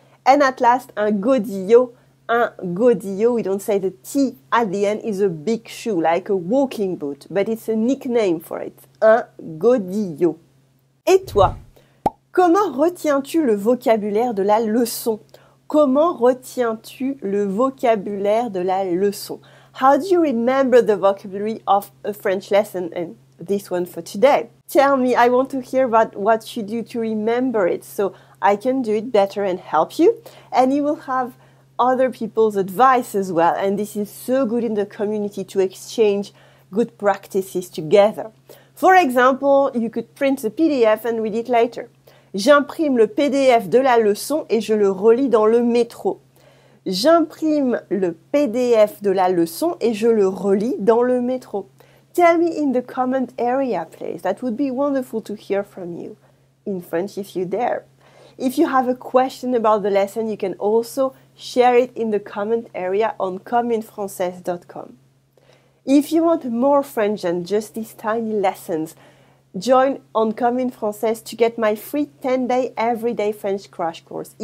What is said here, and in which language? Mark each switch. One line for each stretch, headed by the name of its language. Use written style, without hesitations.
English: And at last, un godillot, we don't say the T at the end, is a big shoe, like a walking boot, but it's a nickname for it.
French: Un godillot. Et toi, comment retiens-tu le vocabulaire de la leçon? Comment retiens-tu le vocabulaire de la leçon?
English: How do you remember the vocabulary of a French lesson and this one for today? Tell me, I want to hear about what you do to remember it so I can do it better and help you. And you will have other people's advice as well. And this is so good in the community to exchange good practices together. For example, you could print the PDF and read it later.
French: J'imprime le PDF de la leçon et je le relis dans le métro. J'imprime le PDF de la leçon et je le relis dans le métro.
English: Tell me in the comment area, please. That would be wonderful to hear from you in French if you dare. If you have a question about the lesson, you can also share it in the comment area on communefrancaise.com. If you want more French than just these tiny lessons, join on Commune Française to get my free 10-day everyday French crash course.